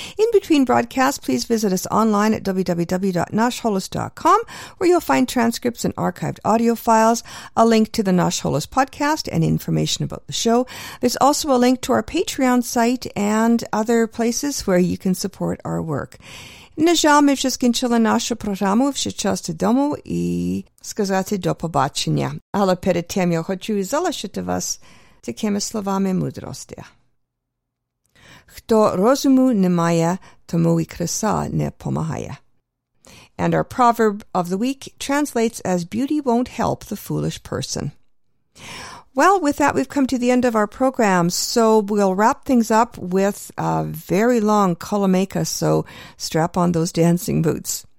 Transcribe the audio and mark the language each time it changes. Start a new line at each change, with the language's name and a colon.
English: In between broadcasts, please visit us online at www.nashholos.com, where you'll find transcripts and archived audio files, a link to the Nash Holos podcast, and information about the show. There's also a link to our Patreon site and other places where you can support our work.
Ukrainian: На жаль, ми вже скінчили нашу програму, вже час додому і сказати до побачення. Але перед тим я хочу залишити вас такими словами мудрості. Хто розуму не має, тому і краса не помагає.
English: And our proverb of the week translates as beauty won't help the foolish person. Well, with that, we've come to the end of our program, so we'll wrap things up with a very long Kolomeka, so strap on those dancing boots.